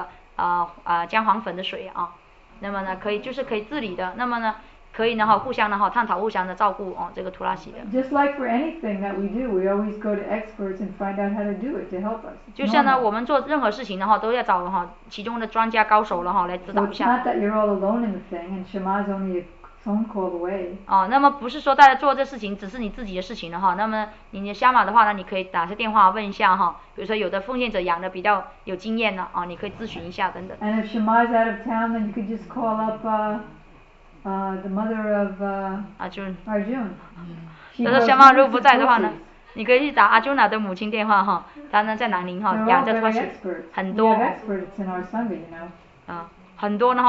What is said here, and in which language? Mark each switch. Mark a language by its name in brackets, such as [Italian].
[Chinese] 如果呢哈，比如说呢，图拉喜的话呢，有时候养的不好，也不是说呢一下子就走了哈。那么他有时候呢不好的时候，你可以请教一些哈有经验的奉献者啊，比如说呢有些虫啊哈，虫子有了，你可以喷那个姜黄粉的水啊。那么呢，可以就是可以自理的。那么呢，可以呢哈，互相呢哈，探讨互相的照顾哦，这个图拉西的。 [English] Just like for anything that we do, we always go to experts and find out how to do it to help us. [Chinese] 就像呢，我们做任何事情的话，都要找哈其中的专家高手了哈，来指导一下。 [English] Well, it's not that you're all alone in the thing, and Shema's only a phone call away. [Chinese] 哦，那么不是说大家做这事情只是你自己的事情的哈，那么你的下马的话呢，你可以打个电话问一下哈，比如说有的奉献者养的比较有经验呢，啊，你可以咨询一下等等。 [English] And if Shema's out of town, then you could just call up the mother of Arjun. Arjun. [Chinese] 那么如果不在的话呢，你可以去打阿朱娜的母亲电话哈，她呢在南宁哈，养着托西，很多。 [English] We have experts in our Sunday, you know.